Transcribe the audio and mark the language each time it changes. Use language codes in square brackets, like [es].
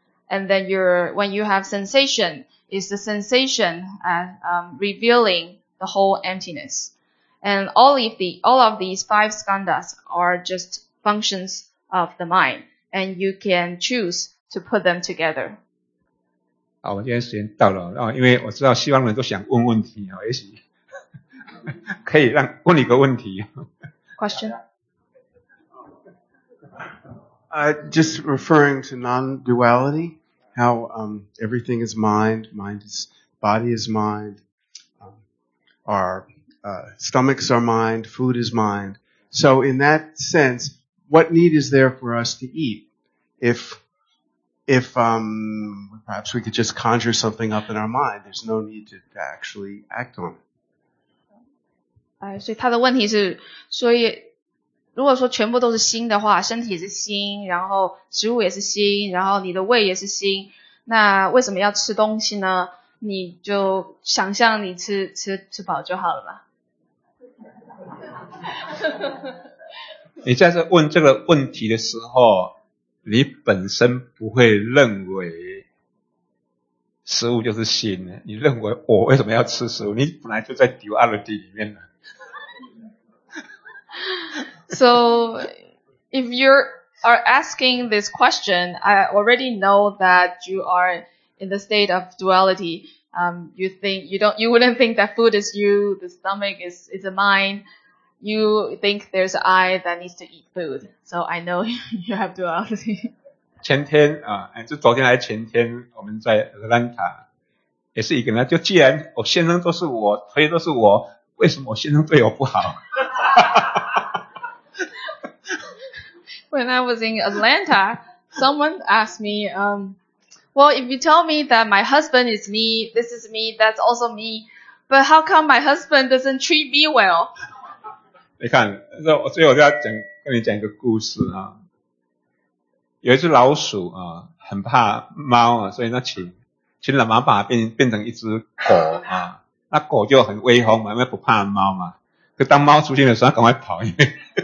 [en] And then when you have sensation, is the sensation revealing the whole emptiness. And all of these five skandhas are just functions of the mind, and you can choose to put them together. [zh] 好，我今天时间到了啊，因为我知道西方人都想问问题啊，也许可以让问你个问题。 [en] Question. Just referring to non-duality. How everything is mind, mind is body is mind, our stomachs are mind, food is mind. So in that sense, what need is there for us to eat? If perhaps we could just conjure something up in our mind, there's no need to actually act on it. [zh] 所以他的问题是，所以如果说全部都是心的话，身体是心，然后食物也是心，然后你的胃也是心，那为什么要吃东西呢？你就想象你吃饱就好了吧。你在这问这个问题的时候，你本身不会认为食物就是心，你认为我为什么要吃食物？你本来就在 duality 里面了。 [en] So, if you are asking this question, I already know that you are in the state of duality. You wouldn't think that food is you, the stomach is a mind. You think there's an I that needs to eat food. So I know you have duality. [zh] 前天啊，就昨天还前天，我们在 Atlanta 也是一个人。就既然我先生都是我，所以都是我，为什么我先生对我不好？ [en] When I was in Atlanta, someone asked me, well, if you tell me that my husband is me, this is me, that's also me, but how come my husband doesn't treat me well? [zh] 你看，所以我就要讲，跟你讲一个故事啊。有一只老鼠啊，很怕猫啊，所以那请老妈把它变成一只狗啊。那狗就很威风嘛，因为不怕猫嘛。可当猫出现的时候，它赶快跑，因为。